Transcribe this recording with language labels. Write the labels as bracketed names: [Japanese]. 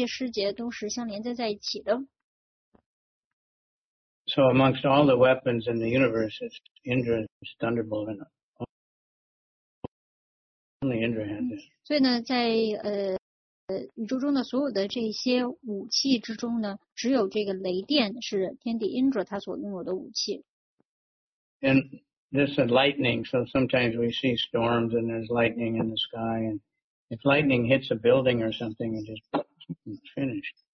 [Chinese] 所以我们可以看到这些诗节都是相连在一起的。 [English] So amongst all the weapons in the universe, it's Indra's thunderbolt, and only Indra has it. [Chinese] 所以呢，在宇宙中的所有的这些武器之中呢， 只有这个雷电是天帝Indra他所拥有的武器。 [English] And this is lightning, so sometimes we see storms and there's lightning in the sky, and if lightning hits a building or something, it just finished.